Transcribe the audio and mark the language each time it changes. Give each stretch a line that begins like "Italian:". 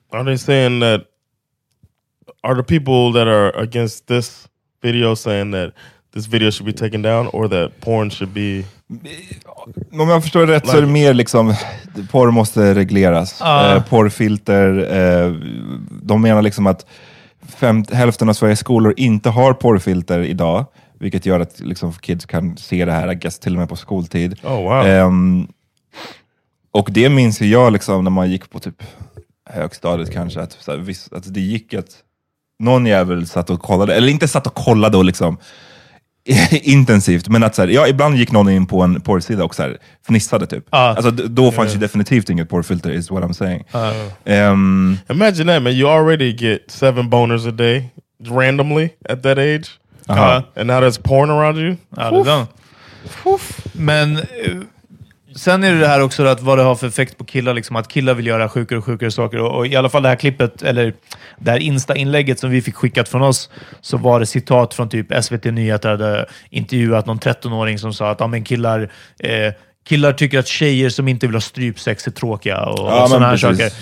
English: Are they saying that, are the people that are against this video saying that this video should be taken down, or that porn should be,
Swedish: om jag förstår rätt, så är det mer liksom porr måste regleras, porrfilter, de menar liksom att hälften av Sveriges skolor inte har porrfilter idag, vilket gör att liksom kids kan se det här,
English: I guess,
Swedish: till och med på skoltid.
English: Oh, wow.
Swedish: Och det minns jag liksom när man gick på typ högstadiet kanske, att så här, att det gick att någon jävel satt och kollade, eller inte satt och kollade och liksom intensivt, men att så här, ja, ibland gick någon in på en porrsida och så här fnissade typ. Alltså då fanns ju definitivt inget porrfilter,
English: is what I'm saying. Imagine that, man, you already get 7 boners a day randomly at that age. And now there's porn around you?
Swedish: Ja, det är det. Men sen är det här också att vad det har för effekt på killar, liksom, att killar vill göra sjukare och sjukare saker. Och i alla fall det här klippet, eller det här Insta-inlägget som vi fick skickat från oss, så var det citat från typ SVT Nyheter, där hade intervjuat någon 13-åring som sa att ja, men killar tycker att tjejer som inte vill ha strypsex är tråkiga och sådana här saker.